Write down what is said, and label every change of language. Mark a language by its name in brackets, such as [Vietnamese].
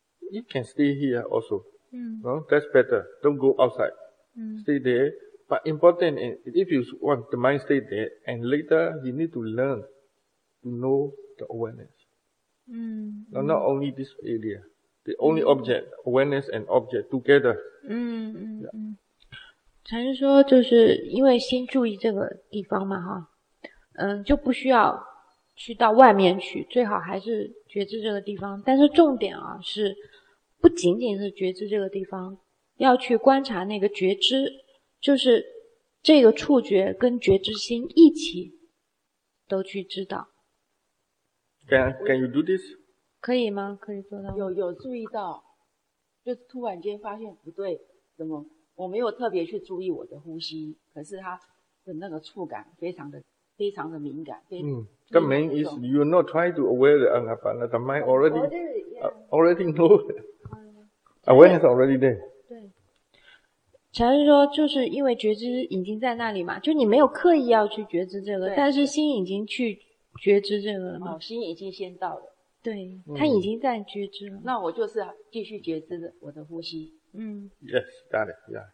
[English] You can stay here also. That's better. Don't go outside. Stay there. But important is if you want the mind stay there, and later you need to learn to know the awareness. Now, not only this area, the only object, awareness and object together. [Chinese] 禅师说就是因为先注意这个地方嘛，就不需要去到外面去，最好还是觉知这个地方。但是重点啊，是不仅仅是觉知这个地方，要去观察那个觉知。就是这个触觉跟觉知心一起都去知道。 [English] Can you do this? [Chinese] 可以吗？可以做到吗？有注意到，就突然间发现不对，怎么我没有特别去注意我的呼吸，可是它的那个触感非常的敏感。 [English] The main is you not try to aware the anapana, the mind already know awareness already there. [Chinese] 禅师说就是因为觉知已经在那里嘛，就你没有刻意要去觉知这个，但是心已经去觉知这个了嘛。心已经先到了。对，他已经在觉知了。那我就是继续觉知我的呼吸。 [English] Yes, got it, yeah.